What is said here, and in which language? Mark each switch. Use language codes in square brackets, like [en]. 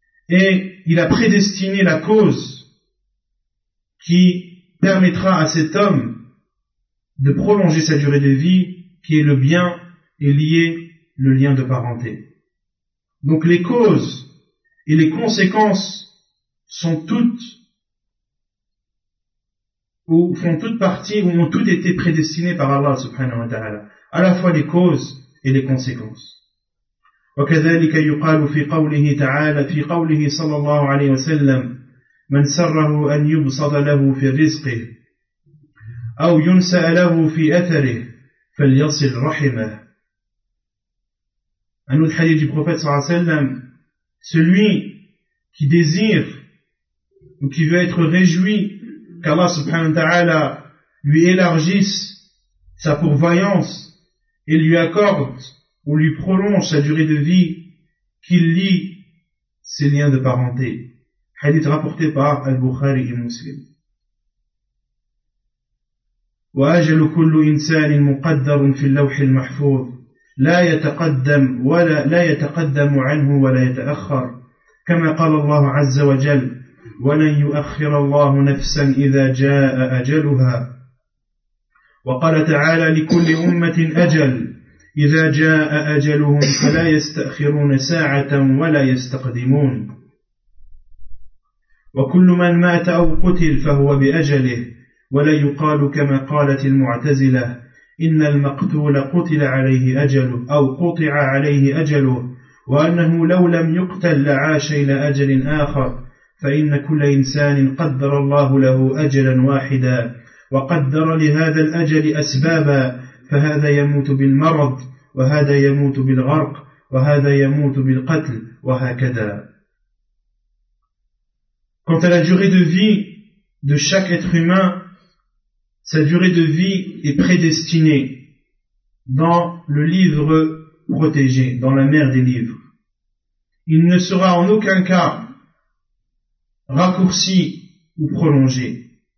[fr] Et il a prédestiné la cause qui permettra à cet homme de prolonger sa durée de vie, qui est le bien et lié le lien de parenté. Donc les causes et les conséquences sont toutes ou font toutes partie, ou ont toutes été prédestinées par Allah subhanahu wa ta'ala, à la fois les causes et les conséquences. [ar] وكذلك يقال في قوله تعالى في قوله صلى الله عليه وسلم من سره أن يبسط له في رزقه أو ينسأ له في أثره فليصل رحمه. [fr] Un autre hadith du prophète sallallahu alayhi wa sallam, celui qui désire ou qui veut être réjoui qu'Allah subhanahu wa ta'ala lui élargisse sa pourvoyance et lui accorde ou lui prolonge sa durée de vie, qu'il lie ses liens de parenté. Hadith rapporté par Al-Bukhari et Muslim. [ar] Wa ajalu kullu insanin muqaddarun fil lawh al-mahfuz la yataqaddam wala la yataqaddamu anhu wala yata'akhkhar kama qala Allah 'azza wa jalla ولن يؤخر الله نفسا إذا جاء أجلها وقال تعالى لكل أمة أجل إذا جاء أجلهم فلا يستأخرون ساعة ولا يستقدمون وكل من مات أو قتل فهو بأجله ولا يقال كما قالت المعتزلة إن المقتول قتل عليه أجله أو قطع عليه أجله وأنه لو لم يقتل لعاش إلى أجل آخر فإن كل إنسان قدر الله له أجلا واحدا وقدر لهذا الأجل أسبابا فهذا يموت بالمرض وهذا يموت بالغرق وهذا يموت بالقتل وهكذا. [fr] Quant à la durée de vie de chaque être humain, sa durée de vie est prédestinée dans le livre protégé, dans la mer des livres. Il ne sera en aucun cas raccourci ou prolongé.